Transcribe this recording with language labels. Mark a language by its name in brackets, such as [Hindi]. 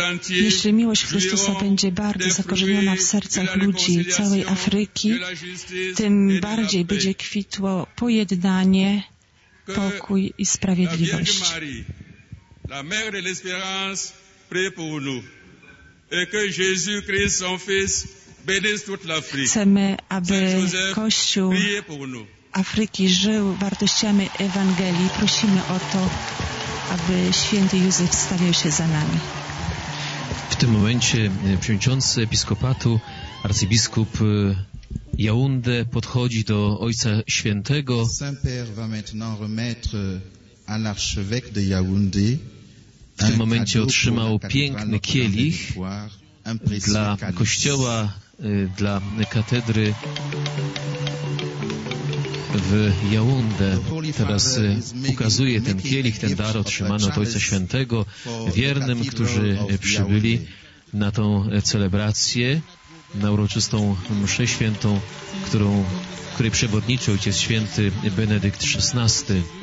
[Polish] Jeśli miłość Chrystusa będzie bardzo zakorzeniona w sercach ludzi całej Afryki, tym bardziej będzie kwitło pojednanie, pokój i sprawiedliwość. [French] La mère de l'espérance prie pour nous et que Jésus-Christ, son fils, bénisse toute l'Afrique. [Polish] Chcemy, aby Kościół Afryki żył wartościami Ewangelii. Prosimy o to, aby święty Józef stawiał się za nami. W tym momencie przewodniczący episkopatu, arcybiskup Yaoundé, podchodzi do Ojca Świętego. [French] Saint-Père va maintenant remettre à l'archevêque de Yaoundé. [Polish] W tym momencie otrzymał piękny kielich dla kościoła, dla katedry w Yaoundé. Teraz ukazuje ten kielich, ten dar otrzymany od Ojca Świętego wiernym, którzy przybyli na tą celebrację, na uroczystą mszę świętą, której przewodniczy Ojciec Święty Benedykt XVI.